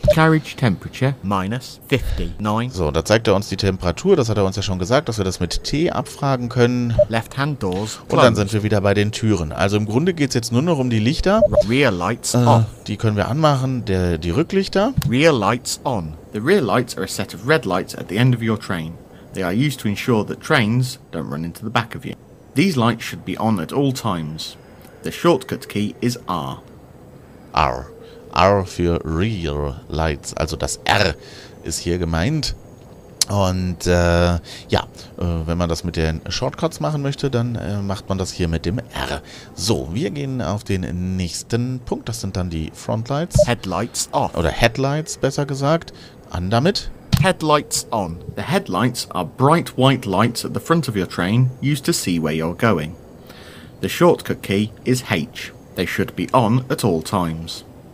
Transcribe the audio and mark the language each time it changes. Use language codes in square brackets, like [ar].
[en] Carriage temperature minus 59. [de] So, da zeigt er uns die Temperatur. Das hat er uns ja schon gesagt, dass wir das mit T abfragen können. [en] Left hand doors. [de] Und dann sind wir wieder bei den Türen. Also im Grunde geht es jetzt nur noch um die Lichter. [en] Rear lights on. [de] Die können wir anmachen, die Rücklichter. [en] Rear lights on. The rear lights are a set of red lights at the end of your train. They are used to ensure that trains don't run into the back of you. These lights should be on at all times. The shortcut key is R. R. [de] R für Rear Lights, also das R ist hier gemeint. Und wenn man das mit den Shortcuts machen möchte, dann macht man das hier mit dem R. So, wir gehen auf den nächsten Punkt, das sind dann die Frontlights. [en] Headlights off. [de] Oder Headlights, besser gesagt. An damit. [en] Headlights on. The headlights are bright white lights at the front of your train, used to see where you're going. The shortcut key is H. They should be on at all times.